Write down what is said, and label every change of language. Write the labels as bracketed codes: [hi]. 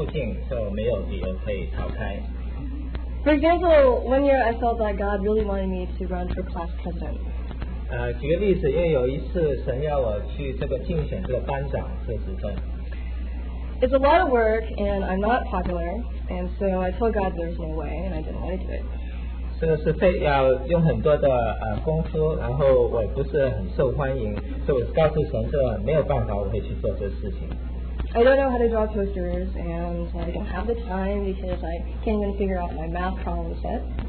[zh] 但是神把我放在跟这个洪家的附近，就没有理由可以逃开。 [en] For example, one year I felt that God really wanted me to run for class president. [zh] 举个例子，因为有一次神要我去这个竞选这个班长这职分。 [en] It's a lot of work, and I'm not popular, and so I told God there's no way, and I didn't want to do it. [zh] 这个是要用很多的功夫，然后我也不是很受欢迎，所以我告诉神这没有办法，我会去做这事情。 [en] I don't know how to draw posters, and I don't have the time because I can't even figure out my math problem set.